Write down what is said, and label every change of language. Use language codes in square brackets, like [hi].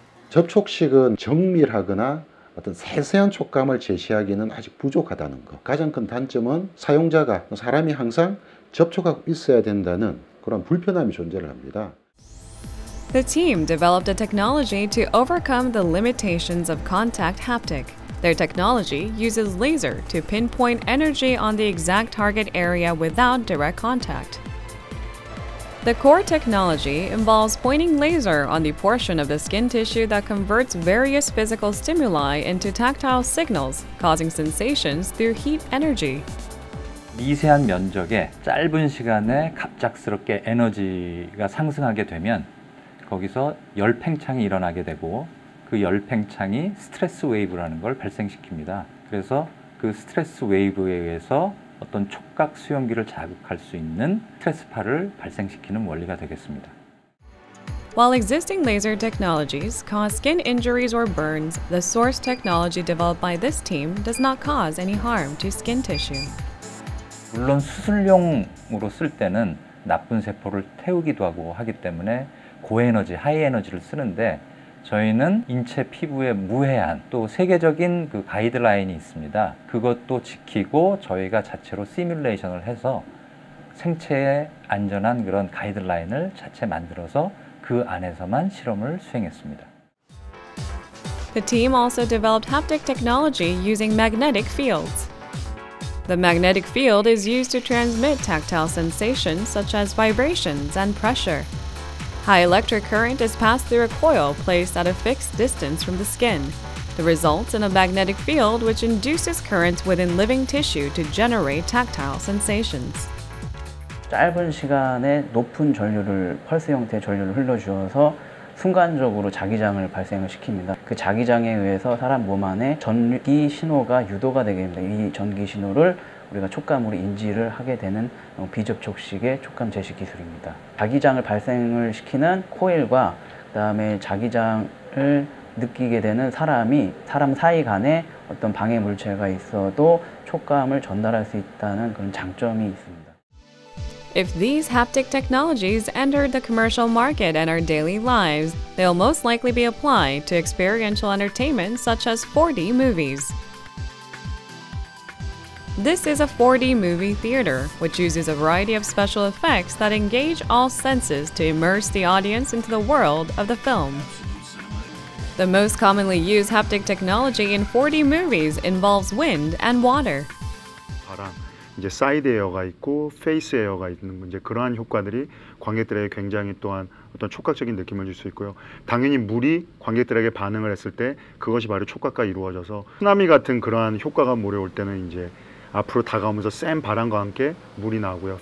[ko] 접촉식은 정밀하거나 어떤 세세한 촉감을 제시하기는 아직 부족하다는 것. 가장 큰 단점은 사용자가 사람이 항상 접촉하고 있어야 된다는 그런 불편함이 존재를 합니다. [en] The team developed a technology to overcome the limitations of contact haptic. Their technology uses laser to pinpoint energy on the exact target area without direct contact. The core technology involves pointing laser on the portion of the skin tissue that converts various physical stimuli into tactile signals, causing sensations through heat energy. [ko] 미세한 면적에 짧은 시간에 갑작스럽게 에너지가 상승하게 되면 거기서 열팽창이 일어나게 되고 그 열팽창이 스트레스 웨이브라는 걸 발생시킵니다. 그래서 그 스트레스 웨이브에 의해서 어떤 촉각 수용기를 자극할 수 있는 스트레스파를 발생시키는 원리가 되겠습니다. [en] While existing laser technologies cause skin injuries or burns, the source technology developed by this team does not cause any harm to skin tissue. [ko] 물론 수술용으로 쓸 때는 나쁜 세포를 태우기도 하고 하기 때문에 고에너지, 하이에너지를 쓰는데 저희는 인체 피부에 무해한 또 세계적인 그 가이드라인이 있습니다. 그것도 지키고 저희가 자체로 시뮬레이션을 해서 생체에 안전한 그런 가이드라인을 자체 만들어서 그 안에서만 실험을 수행했습니다. [en] The team also developed haptic technology using magnetic fields. The magnetic field is used to transmit tactile sensations such as vibrations and pressure. High electric current is passed through a coil placed at a fixed distance from the skin. The result in a magnetic field which induces current within living tissue to generate tactile sensations. [ko] 짧은 시간에 높은 전류를 펄스 형태의 전류를 흘러주어서 순간적으로 자기장을 발생을 시킵니다. 그 자기장에 의해서 사람 몸 안에 전기 신호가 유도가 되게 됩니다. 이 전기 신호를 우리가 촉감으로 인지를 하게 되는 비접촉식의 촉감 제시 기술입니다. 자기장을 발생을 시키는 코일과 그다음에 자기장을 느끼게 되는 사람이 사람 사이 간에 어떤 방해 물체가 있어도 촉감을 전달할 수 있다는 그런 장점이 있습니다. [en] If these haptic technologies enter the commercial market and our daily lives, they'll most likely be applied to experiential entertainment such as 4D movies. This is a 4D movie theater, which uses a variety of special effects that engage all senses to immerse the audience into the world of the film. The most commonly used haptic technology in 4D movies involves wind and water. [ko] 바람, 이제 사이드 에어가 있고 페이스 에어가 있는 이제 그러한 효과들이 관객들에게 굉장히 또한 어떤 촉각적인 느낌을 줄 수 있고요. 당연히 물이 관객들에게 반응을 했을 때 그것이 바로 촉각과 이루어져서 쓰나미 같은 그러한 효과가 몰려올 때는 이제 앞으로 다가오면서 센 바람과 함께 물이 나오고요.